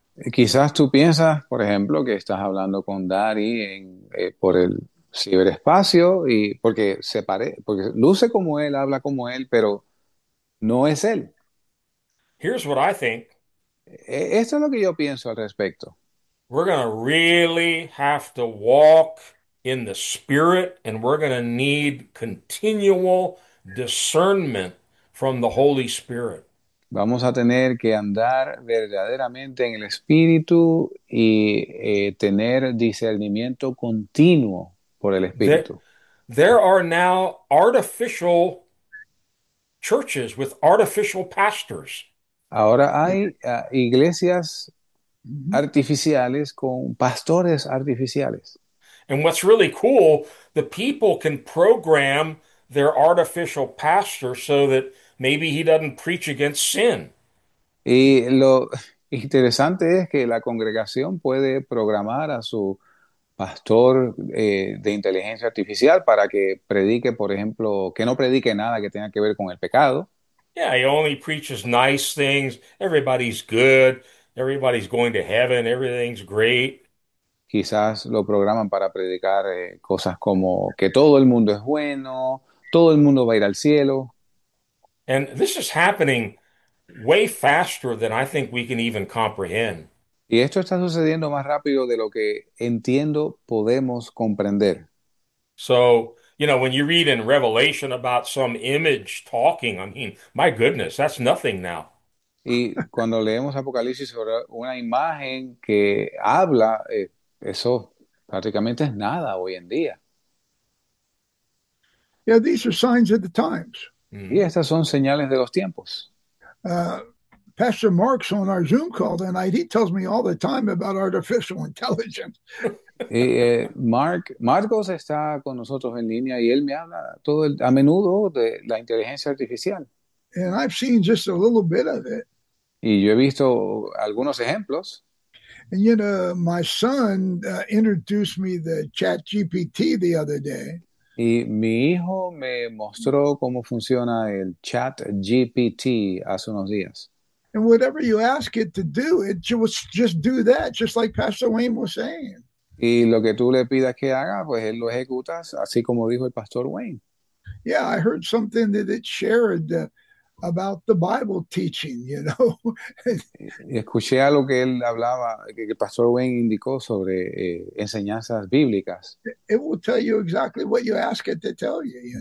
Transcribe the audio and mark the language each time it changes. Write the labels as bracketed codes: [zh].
[es] Quizás tú piensas, por ejemplo, que estás hablando con Dari por el ciberespacio y porque luce como él, habla como él, pero no es él. [en] Here's what I think. [es] Esto es lo que yo pienso al respecto. [en] We're going to really have to walk in the spirit, and we're going to need continual discernment from the Holy Spirit. [es] Vamos a tener que andar verdaderamente en el espíritu y tener discernimiento continuo por el [en] There [es] espíritu. [en] are now artificial churches with artificial pastors. [es] Ahora hay iglesias artificiales con pastores artificiales. [en] And what's really cool, the people can program their artificial pastor so that maybe he doesn't preach against sin. [es] Y lo interesante es que la congregación puede programar a su pastor de inteligencia artificial para que predique, por ejemplo, que no predique nada que tenga que ver con el pecado. [en] Yeah, he only preaches nice things. Everybody's good. Everybody's going to heaven. Everything's great. [es] Quizás lo programan para predicar cosas como que todo el mundo es bueno, todo el mundo va a ir al cielo. [en] And this is happening way faster than I think we can even comprehend. [es] Y esto está sucediendo más rápido de lo que entiendo podemos comprender. [en] So, when you read in Revelation about some image talking, I mean, my goodness, that's nothing now. [es] Y cuando leemos Apocalipsis sobre una imagen que habla, eso prácticamente es nada hoy en día. [en] Yeah, these are signs of the times. [es] Y estas son señales de los tiempos. [en] Pastor Mark's on our Zoom call tonight. He tells me all the time about artificial intelligence. [es] Marcos está con nosotros en línea y él me habla a menudo de la inteligencia artificial. [en] And I've seen just a little bit of it. [es] Y yo he visto algunos ejemplos. [en] And my son introduced me the Chat GPT the other day. [es] Y mi hijo me mostró cómo funciona el chat GPT hace unos días. [en] And whatever you ask it to do, it just do that, just like Pastor Wayne was saying. [es] Y lo que tú le pidas que haga, pues él lo ejecuta, así como dijo el pastor Wayne. [en] Yeah, I heard something that it shared about the Bible teaching, [es] Y escuché algo que él hablaba, que el pastor Wayne indicó sobre enseñanzas bíblicas. [en] It will tell you exactly what you ask it to tell you.